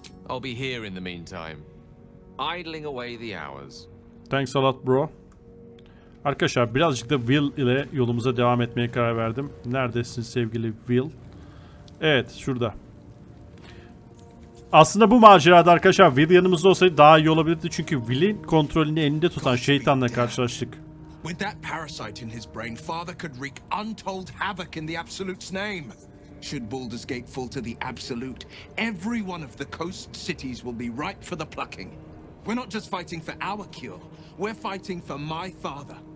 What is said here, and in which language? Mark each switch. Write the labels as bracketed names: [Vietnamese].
[English] I'll be here in the meantime, idling away the hours. Thanks a lot, bro. [Turkish] Arkadaşlar, birazcık da Will ile yolumuza devam etmeye karar verdim. Neredesin sevgili Will? Evet, şurada. Aslında bu macerada arkadaşlar Will yanımızda olsaydı daha iyi olabilirdi çünkü Will'in kontrolünü elinde tutan şeytanla karşılaştık. [English] With that parasite in his brain, Father could wreak untold havoc in the Absolute's name. Should Baldur's Gate fall to the Absolute, every one of the coast cities will be ripe for the plucking. We're not just fighting for our cure, we're fighting for my father.